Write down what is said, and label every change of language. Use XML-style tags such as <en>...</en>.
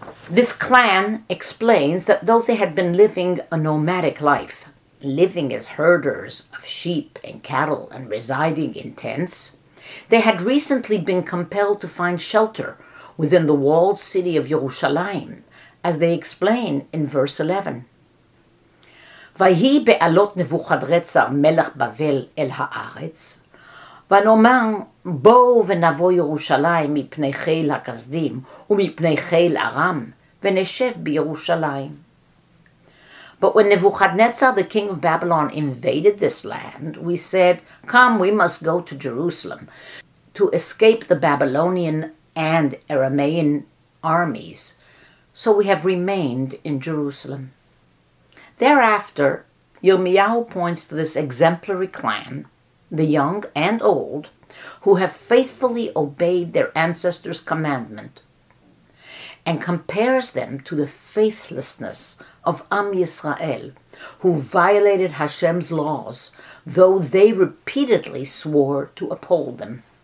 <en>This clan explains that though they had been living a nomadic life, living as herders of sheep and cattle and residing in tents, they had recently been compelled to find shelter within the walled city of Yerushalayim, as they explain in verse 11.</en> <he>Vayhi be'alot Nebuchadrezzar melech Bavel el ha'aretz, ונאמר בואו ונבוא ירושלים מפני חיל הכסדים ומפני חיל ארם ונשב בירושלים.</he> <en>But when Nebuchadnezzar, the king of Babylon, invaded this land, we said, come, we must go to Jerusalem to escape the Babylonian and Aramean armies. So we have remained in Jerusalem. Thereafter, Yirmiyahu points to this exemplary clan, the young and old, who have faithfully obeyed their ancestors' commandment, and compares them to the faithlessness of Am Yisrael, who violated Hashem's laws, though they repeatedly swore to uphold them.</en>